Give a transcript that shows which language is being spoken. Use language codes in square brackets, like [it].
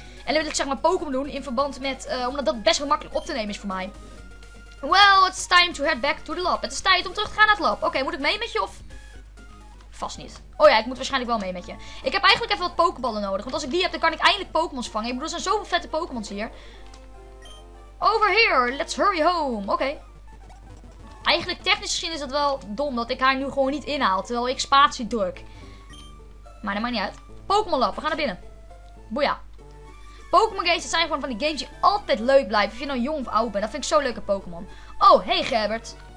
[nl] En dan wil ik zeg maar Pokémon doen in verband met... omdat dat best wel makkelijk op te nemen is voor mij. [en] Well, it's time to head back to the lab. [nl] Het is tijd om terug te gaan naar het lab. Oké, moet ik mee met je of... Vast niet. Oh ja, ik moet waarschijnlijk wel mee met je. Ik heb eigenlijk even wat Pokéballen nodig. Want als ik die heb, dan kan ik eindelijk Pokémon vangen. Ik bedoel, er zijn zoveel vette Pokémon hier. [en] Over here, let's hurry home. [nl] Oké. Eigenlijk technisch gezien is dat wel dom dat ik haar nu gewoon niet inhaal. Terwijl ik spatie druk. Maar dat maakt niet uit. Pokémon lab, we gaan naar binnen. Boeia. Pokémon games, dat zijn gewoon van die games die altijd leuk blijven. Of je nou jong of oud bent. Dat vind ik zo leuk in Pokémon. Oh, hey Gerbert.